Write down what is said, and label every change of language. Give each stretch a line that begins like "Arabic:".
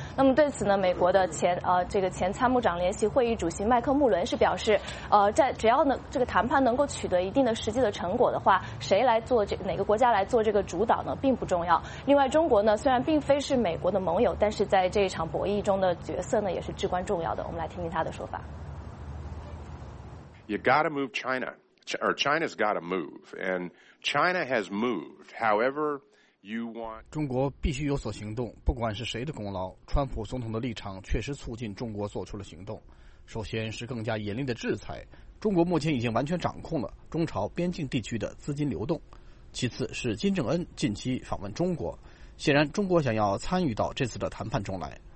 Chinese: 那么对此呢，美国的前参谋长联席会议主席麦克穆伦是表示，在只要呢这个谈判能够取得一定的实际的成果的话，谁来做哪个国家来做这个主导呢，并不重要。另外，中国呢虽然并非是美国的盟友，但是在这一场博弈中的角色呢也是至关重要的。我们来听听他的说法。
English: You gotta move China, or China's gotta move, and China has moved. However.
Chinese: 中国必须有所行动，不管是谁的功劳，川普总统的立场确实促进中国做出了行动。首先是更加严厉的制裁，中国目前已经完全掌控了中朝边境地区的资金流动。其次是金正恩近期访问中国，显然中国想要参与到这次的谈判中来。